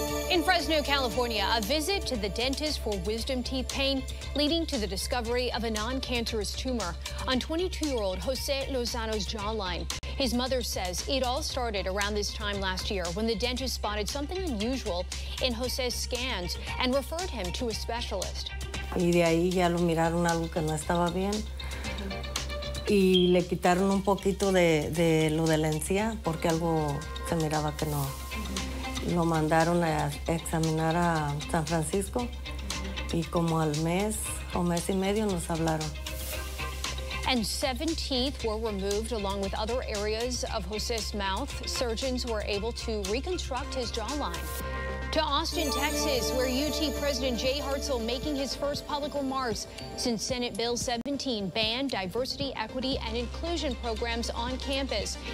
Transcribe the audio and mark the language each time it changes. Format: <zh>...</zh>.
<en>In Fresno, California, a visit to the dentist for wisdom teeth pain leading to the discovery of a non-cancerous tumor on 22-year-old Jose Lozano's jawline. His mother says it all started around this time last year when the dentist spotted something unusual in Jose's scans and referred him to a specialist.</en> <es>Y de ahí ya lo miraron algo que no estaba bien. Y le quitaron un poquito de lo de la encía, porque algo se miraba que no. Lo mandaron a examinar a San Francisco. Y como al mes o mes y medio nos hablaron.</es> <en>And seven teeth were removed along with other areas of Jose's mouth. Surgeons were able to reconstruct his jawline. To Austin, Texas, where UT President Jay Hartzell making his first public remarks since Senate Bill 17 banned diversity, equity, and inclusion programs on campus.</en>